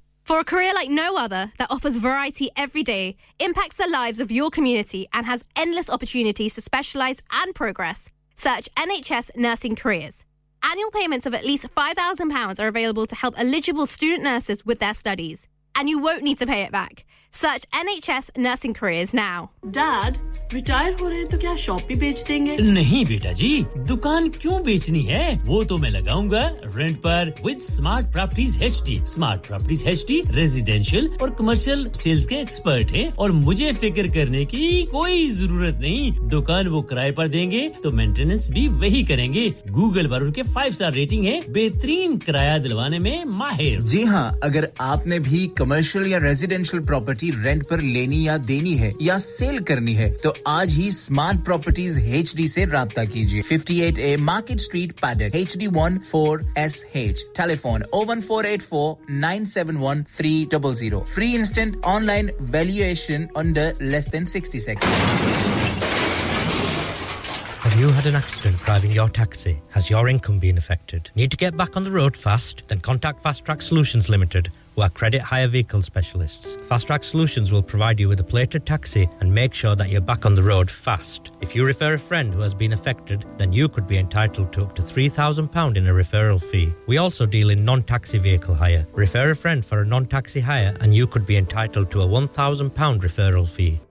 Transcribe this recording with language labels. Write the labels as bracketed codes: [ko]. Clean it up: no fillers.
[en] For a career like no other that offers variety every day, impacts the lives of your community and has endless opportunities to specialize and progress, search NHS Nursing Careers. Annual payments of at least £5,000 are available to help eligible student nurses with their studies. and you won't need to pay it back. Search NHS Nursing Careers now. [hi] Dad, retire हो रहे हैं तो क्या shop भी बेच देंगे? नहीं बेटा जी, दुकान क्यों बेचनी है? वो तो मैं लगाऊंगा रेंट पर with Smart Properties HD. Smart Properties HD residential और commercial sales के expert हैं और मुझे फिकर करने की कोई ज़रूरत नहीं. दुकान वो किराए पर देंगे तो मेंटेनेंस भी वही करेंगे. Google पर उनके 5 star rating है, बेहतरीन किराया दिलवाने में माहिर. जी हाँ, अगर आपने भी commercial या residential property रेंट पर लेनी या देनी है या सेल करनी है तो आज ही स्मार्ट प्रॉपर्टीज एचडी से राबता कीजिए 58A market street paddock HD14SH telephone 01484971300 free instant online valuation under less than 60 seconds [en] Have you had an accident driving your taxi has your income been affected need to get back on the road fast then contact Fast Track Solutions Limited who are credit hire vehicle specialists. Fast Track Solutions will provide you with a plated taxi and make sure that you're back on the road fast. If you refer a friend who has been affected, then you could be entitled to up to £3,000 in a referral fee. We also deal in non-taxi vehicle hire. Refer a friend for a non-taxi hire and you could be entitled to a £1,000 referral fee.